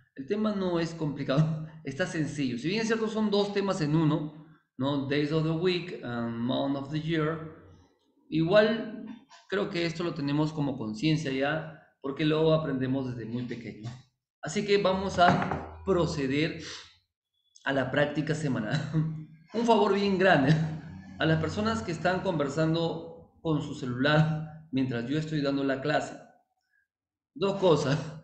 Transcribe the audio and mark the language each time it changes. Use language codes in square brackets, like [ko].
[es] El tema no es complicado, está sencillo. Si bien es cierto, son dos temas en uno, ¿no? [en] Days of the week and month of the year. [es] Igual creo que esto lo tenemos como conciencia ya, porque luego aprendemos desde muy pequeño. Así que vamos a proceder a la práctica semanal. Un favor bien grande a las personas que están conversando con su celular mientras yo estoy dando la clase. Dos cosas.